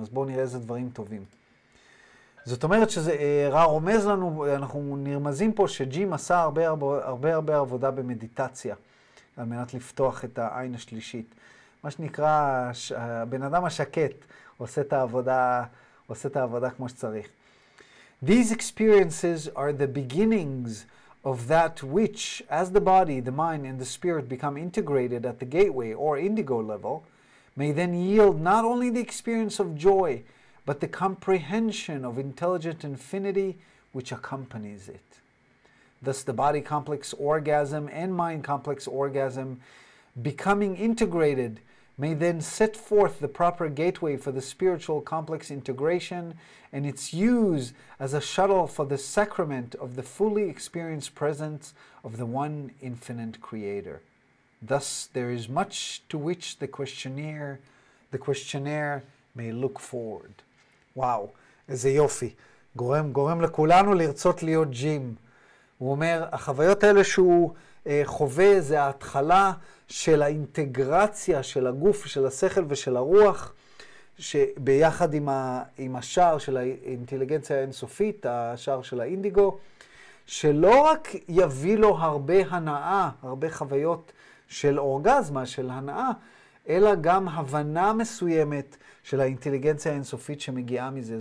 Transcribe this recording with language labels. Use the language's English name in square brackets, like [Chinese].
[Hebrew] אז בואו נראה איזה דברים טובים. זאת אומרת שזה רע רומז לנו, אנחנו נרמזים פה שג'ים עשה הרבה הרבה הרבה, הרבה, הרבה עבודה במדיטציה, על מנת לפתוח את העין השלישית. מה שנקרא, הבן אדם השקט עושה את העבודה, עושה את העבודה כמו שצריך. [English] These experiences are the beginnings of that which, as the body, the mind, and the spirit become integrated at the gateway or indigo level, may then yield not only the experience of joy, but the comprehension of intelligent infinity which accompanies it. Thus the body complex orgasm and mind complex orgasm becoming integrated may then set forth the proper gateway for the spiritual complex integration and its use as a shuttle for the sacrament of the fully experienced presence of the one infinite creator. Thus, there is much to which the questionnaire may look forward. [Hebrew] וואו, איזה יופי. גורם לכולנו לרצות להיות ג'ים. הוא אומר, החוויות האלה שהוא חווה זה ההתחלה של האינטגרציה של הגוף, של השכל ושל הרוח, שביחד עם השער של האינטליגנציה האינסופית, השער של האינדיגו, שלא רק יביא לו הרבה הנאה, הרבה חוויות של אורגזמה, של הנאה, אלא גם הבנה מסוימת של האינטליגנציה האינסופית שמגיעה מזה.